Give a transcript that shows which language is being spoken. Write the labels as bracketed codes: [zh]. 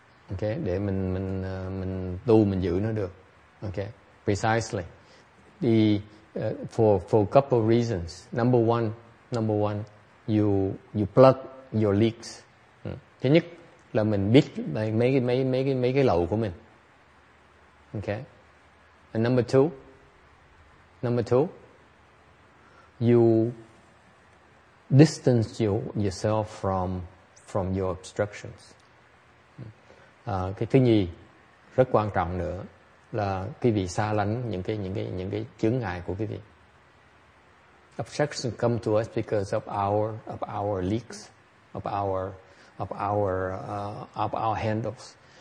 [vi] Okay, để mình tu, mình giữ nó được. [en] Okay. Precisely. The for a couple of reasons. Number one, you plug your leaks. [vi] Thứ nhất là mình biết mấy cái lậu của mình. [en] Okay. And number two, you distance yourself from your obstructions. [vi] Cái thứ nhì rất quan trọng nữa là quý vị xa lánh những cái chướng ngại của quý vị. [en] Obstructions come to us because of our leaks, of our handles.